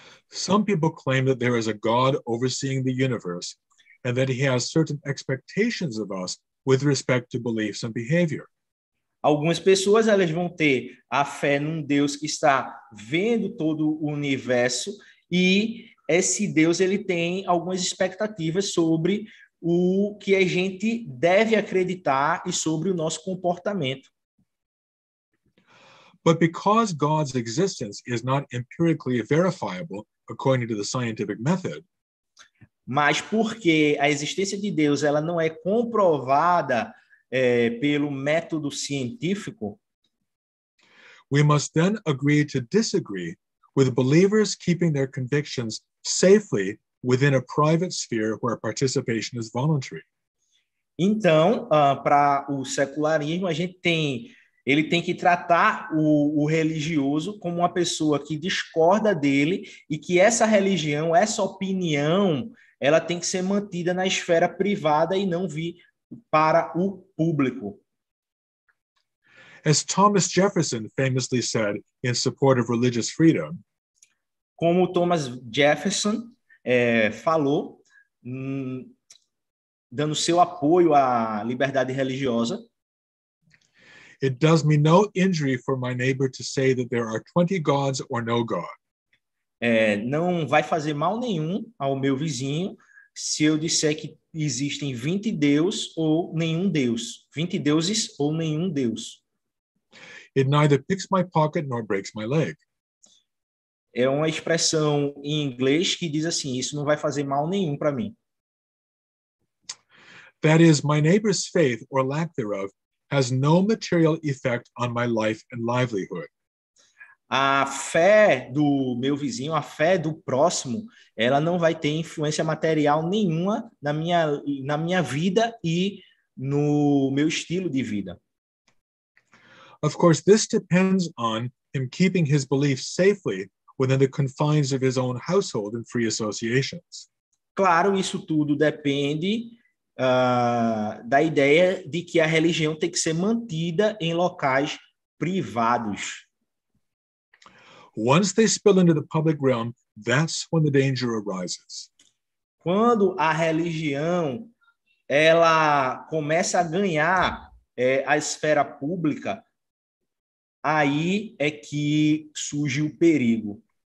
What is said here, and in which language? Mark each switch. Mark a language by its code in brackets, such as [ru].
[en] Some people claim that there is a God overseeing the universe and that he has certain expectations of us with respect to beliefs and behavior. [pt] Algumas pessoas, elas vão ter a fé num Deus que está vendo todo o universo e esse Deus, ele tem algumas expectativas sobre o que a gente deve acreditar e sobre o nosso comportamento. [en] But because God's existence is not empirically verifiable according to the scientific method, [pt] mas porque a existência de Deus ela não é comprovada pelo método científico, [en] we must then agree to disagree with believers keeping their convictions safely within a private sphere where participation is voluntary. [pt] Então, para o secularismo, ele tem que tratar o religioso como uma pessoa que discorda dele e que essa religião, essa opinião, ela tem que ser mantida na esfera privada e não vir para o público. [en] As Thomas Jefferson famously said in support of religious freedom, [pt] como Thomas Jefferson falou, dando seu apoio à liberdade religiosa, [en] it does me no injury for my neighbor to say that there are 20 gods or no god. [pt] Não vai fazer mal nenhum ao meu vizinho se eu disser que existem 20 deuses ou nenhum deus. 20 deuses ou nenhum deus. [en] It neither picks my pocket nor breaks my leg. [pt] É uma expressão em inglês que diz assim, isso não vai fazer mal nenhum para mim. [en] That is, my neighbor's faith or lack thereof has no material effect on my life and livelihood. [pt] A fé do meu vizinho, a fé do próximo, ela não vai ter influência material nenhuma na minha vida e no meu estilo de vida. [en] Of course, this depends on him keeping his beliefs safely within the confines of his own household and free associations. [pt] Claro, isso tudo depende da ideia de que a religião tem que ser mantida em locais privados. [en] Once they spill into the public realm, that's when the danger arises. [pt] Quando a religião ela começa a ganhar a esfera pública, aí é que surge o perigo.